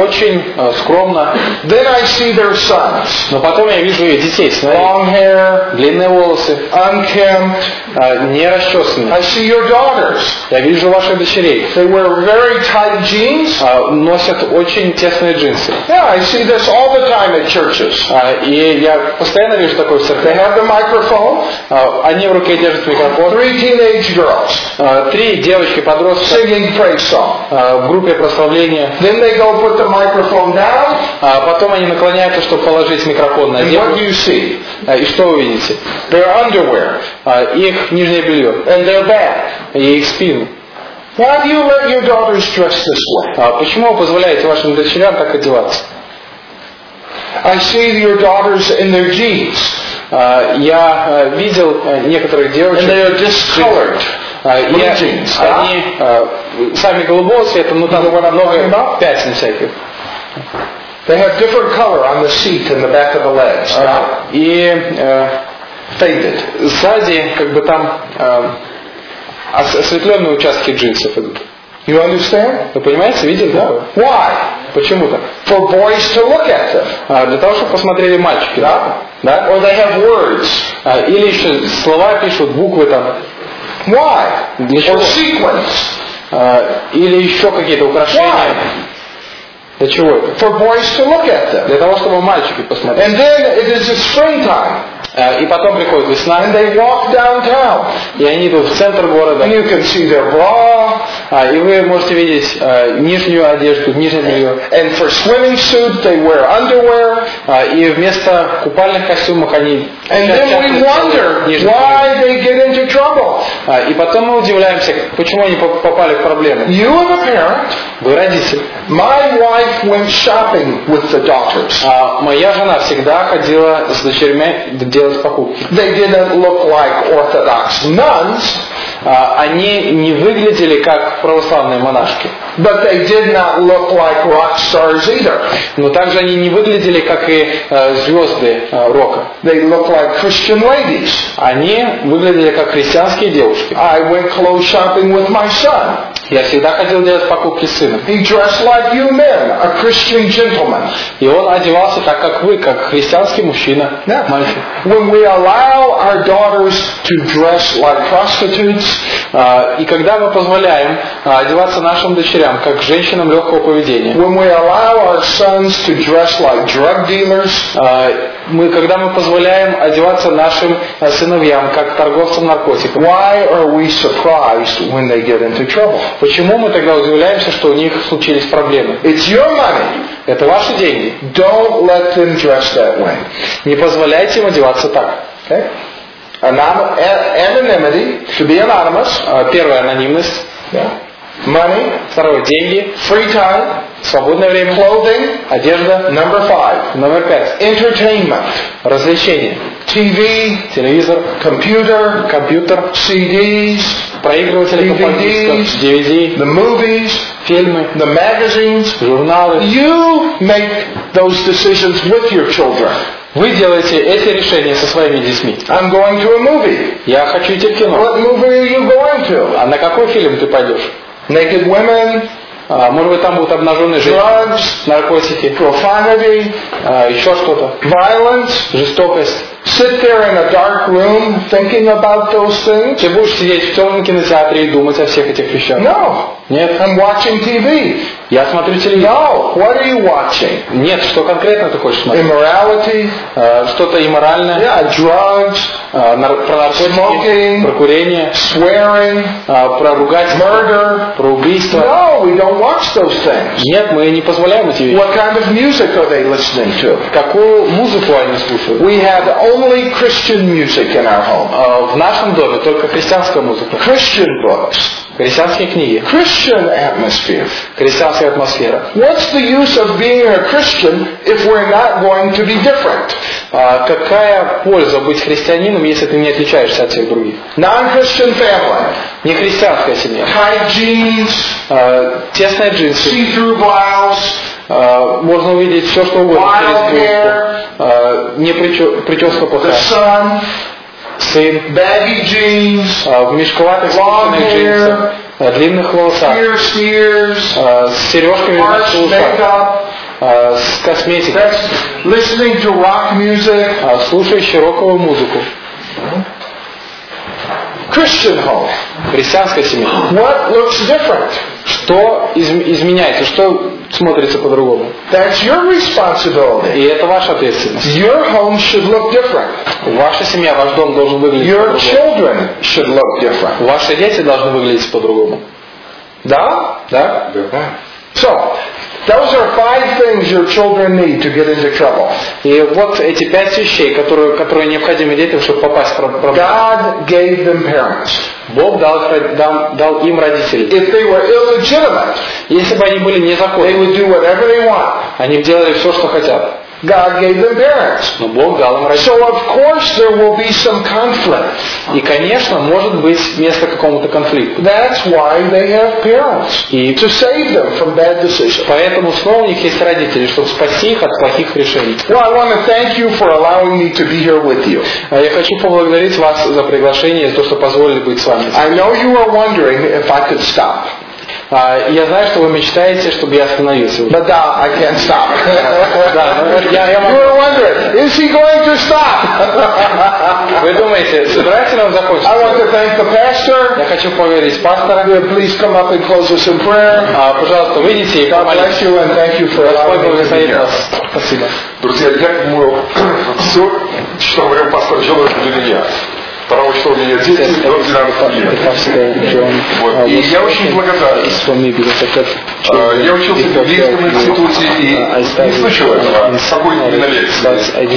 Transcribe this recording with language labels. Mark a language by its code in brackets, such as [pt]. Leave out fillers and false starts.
[ru] Очень скромно. [en] Then I see their sons. [ru] Но потом я вижу их детей. [en] Long hair. [ru] Длинные волосы. [en] Unkempt. [ru] Не расчесанные. [en] I see your daughters. [ru] Я вижу ваших дочерей. [en] They wear very tight jeans. [ru] Носят очень тесные джинсы. [en] Yeah, I see this all the time at churches. [ru] И я постоянно вижу такое в церкви. [en] They have the microphone. [ru] Они в руке держат микрофон. [en] Three teenage girls. [ru] Три девочки-подростки. [en] Singing praise song. [ru] В группе прославления. [en] Then they go put the microphone down. [ru] Потом они наклоняются, чтобы положить микрофон на землю. [en] And what do you see? [ru] И что вы видите? [en] Their underwear. [ru] Их нижнее белье. [en] And their back. [ru] И их спину. [en] Why do you let your daughters dress this way? [ru] Почему вы позволяете вашим дочерям так одеваться? [en] I see your daughters in their jeans. [ru] Я видел некоторых девочек. [en] And they are discolored. Jeans. [ru] Они сами голубого цвета, но там много пятен всяких. [en] They have different color on the seat and the back of the legs. [ru] И [en] faded. [ru] Сзади как бы там. Осветленные участки джинсов идут. [en] You understand? [ru] Вы понимаете, видели? [en] Да. Why? [ru] Почему так? [en] For boys to look at them. [ru] Для того, чтобы посмотрели мальчики. Да. Да? [en] Or they have words. [ru] Или еще слова пишут, буквы там. [en] Why? [ru] Для чего? [en] Or sequence. [ru] Или еще какие-то украшения. [en] Why? [ru] Для чего это? [en] For boys to look at them. [ru] Для того, чтобы мальчики посмотрели. [en] And then it is the springtime. [ru] И потом приходит весна. [en] And they walk downtown. [ru] И они идут в центр города. [en] And you can see their bra. [ru] И вы можете видеть нижнюю одежду, нижнее белье. [en] And for swimming suit, they wear underwear. [ru] И вместо купальных костюмов они. [en] And then we wonder why they get into trouble. [ru] И потом мы удивляемся, почему они попали в проблемы. [en] You are the parent. [ru] Вы родитель. [en] My wife went shopping with the daughters. [ru] Моя жена всегда ходила с дочерьми. Делать покупки. [en] They didn't look like orthodox nuns. [ru] Они не выглядели как православные монашки. [en] But they did not look like rock stars either. [ru] Но также они не выглядели как и звезды рока. [en] They look like Christian ladies. [ru] Они выглядели как христианские девушки. [en] I went clothes shopping with my son. [ru] Я всегда хотел делать покупки с сыном. [en] He dressed like you men, a Christian gentleman. [ru] И он одевался так, как вы, как христианский мужчина, [en] yeah. [ru] Мальчик. [en] When we allow our daughters to dress like prostitutes, [ru] и когда мы позволяем одеваться нашим дочерям как женщинам легкого поведения, [en] when we allow our sons to dress like drug dealers, [ru] когда мы позволяем одеваться нашим сыновьям как торговцам наркотиков, [en] why are we surprised when they get into trouble? [ru] Почему мы тогда удивляемся, что у них случились проблемы? [en] It's your money. [ru] Это ваши деньги. [en] Don't let them dress that way. [ru] Не позволяйте им одеваться так. [en] Anonymity, to be anonymous. [ru] Первое, анонимность. [en] Yeah. Money. [ru] Второе, деньги. [en] Free time. [ru] Свободное время. [en] Clothing. [ru] Одежда. [en] Number five. [ru] Номер пять. [en] Entertainment. [ru] Развлечения. [en] TV. [ru] Телевизор. [en] Computer. [ru] Компьютер. [en] CDs. [ru] Проигрыватели компактов. [en] DVD. The movies. [ru] Фильмы. [en] The magazines. [ru] Журналы. [en] You make those decisions with your children. [ru] Вы делаете эти решения со своими детьми. [en] I'm going to a movie. [ru] Я хочу идти в кино. [en] What movie are you going to? [ru] А на какой фильм ты пойдешь? [en] Naked Women. [ru] Может быть, там будут обнаженные женщины. [en] Drugs. [ru] Наркотики. [en] Profanity. [ru] Еще что-то. [en] Violence. [ru] Жестокость. [en] Sit there in a dark room thinking about those things. [ru] Ты будешь сидеть в темном кинотеатре и думать о всех этих вещах? [en] No. [ru] Нет. [en] I'm watching TV. [ru] Я смотрю телевизор. [en] No. What are you watching? [ru] Нет, что конкретно ты хочешь смотреть? [en] Immorality. [ru] Что-то иморальное. [en] Yeah, drugs. [ru] Про наркотики. [en] Smoking. [ru] Про курение. [en] Swearing. [ru] Про ругательство. [en] Murder. [ru] Про убийство. [en] No, we don't watch those things. [ru] Нет, мы не позволяем эти вещи. [en] What kind of music are they listening to? [ru] Какую музыку они слушают? [en] We have only Christian music in our home. [ru] В нашем доме только христианская музыка. [en] Christian books. [ru] Христианские книги. [en] Christian atmosphere. [ru] Христианская атмосфера. [en] What's the use of being a Christian if we're not going to be different? [ru] Какая польза быть христианином, если ты не отличаешься от всех других? [en] Non-Christian family. [ru] Нехристианская семья. [en] Tight jeans. [ru] Тесные джинсы. [en] See-through blouse. [ru] Можно увидеть все, что угодно. [en] Wild hair. [ru] Прическа плохая. [en] The sun. [ru] Сын. [en] Baggy jeans. [ru] В мешковатых собственных джинсах. Длинных волосах. [en] Pierced ears. [ru] С сережками на ушах. С косметикой. [en] That's listening to rock music. [ru] Слушающий роковую музыку. [en] Christian home. [ru] Христианская семья. [en] What looks different? [ru] Что изменяется? Что смотрится по-другому? [en] That's your responsibility. [ru] И это ваша ответственность. [en] Your home should look different. [ru] Ваша семья, ваш дом должен выглядеть [en] your [ru] по-другому. [en] Children should look different. [ru] Ваши дети должны выглядеть по-другому. Да? Да? Да. [en] So, those are five things your children need to get into trouble. [ru] И вот эти пять вещей, которые необходимы детям, чтобы попасть в проблему. [en] God gave them parents. [ru] Бог дал им родителей. [en] If they were illegitimate, [ru] если бы они были незаконны, [en] they would do whatever they want. [ru] Они бы делали все, что хотят. [en] God gave them parents. [ru] Но Бог дал им родителей. [en] So of course there will be some conflict. [ru] И конечно может быть место какому-то конфликту. [en] That's why they have parents. To save them from bad decisions. [ru] Поэтому снова у них есть родители, чтобы спасти их от плохих решений. [en] Well, I want to thank you for allowing me to be here with you. [ru] Я хочу поблагодарить вас за приглашение, за то, что позволили быть с вами. [en] I know you are wondering if I could stop. [ru] Я знаю, что вы мечтаете, чтобы я остановился. [en] But да, I can't stop. You were wondering, is he going to stop? [ru] Вы думаете, собирается ли он закончить? [en] I want to thank the pastor. [ru] Я хочу поблагодарить пастора. [en] Please come up and close us in prayer. [ru] Пожалуйста, выйдите и [en] God bless you and thank you for allowing us to be here. [ru] Спасибо. Друзья, я думаю, все, что говорил пастор Джон, это для меня. Второго числа у меня дети, и я очень благодарен. Я учился в Библейском институте и не слышал этого спокойной на лекции.